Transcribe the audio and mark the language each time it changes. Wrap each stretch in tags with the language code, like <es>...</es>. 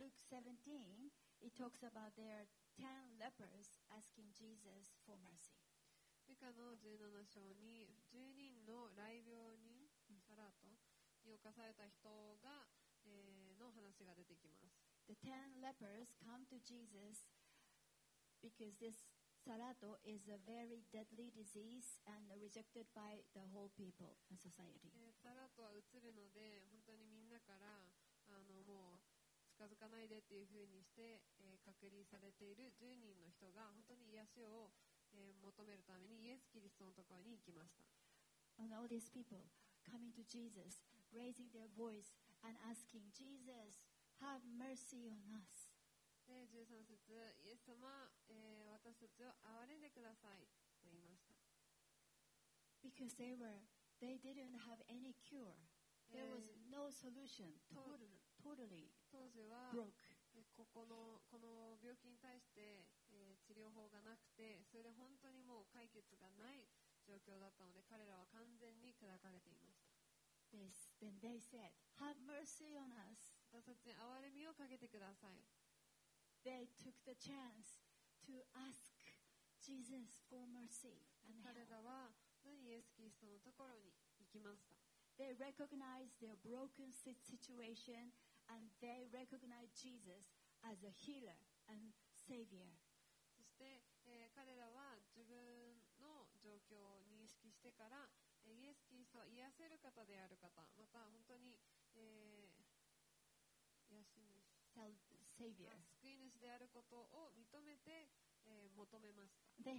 <en>17, it talks about their 10 lepers asking Jesus for mercy.</en> <ja>ルカの17章に10人の雷病人サラートに侵された人が、の話が出てきます。</ja> <en>The 10 lepers come to Jesus because this Sarato is a very deadly disease and rejected by the whole people and society.</en> <ja>サラートはうつるので本当にみんなからもう近づかないでっていう風にして、隔離されている10人の人が本当に癒しを、求めるためにイエス・キリストのところに行きました。</ja> <en>And all these people coming to Jesus, raising their voice and asking, Jesus, have mercy on us.</en> <ja>で13節、イエス様、私たちを憐れんでくださいと言いました。</ja> <en>Because they didn't have any cure. There was no solution. Totally.</en> <ja>当時は この病気に対して、治療法がなくて、それで本当にもう解決がない状況だったので、彼らは完全に砕かれていました。</ja> <en>This, then they said, "Have mercy on us."</en> <ja>私たちに憐れみをかけてください。</ja> <en>They took the chance to ask Jesus for mercy and help.</en> <ja>彼らはイエス・キリストのところに行きました。</ja> <en>They recognized their broken situation. And they recognized Jesus as a healer and savior.</en> <ja>そして、彼らは自分の状況を認識してから、イエス・キリストは癒せる方である方、また本当に、癒し主、</ja> <en>savior、</en> <ja>救い主であることを認めて、求めました。</ja>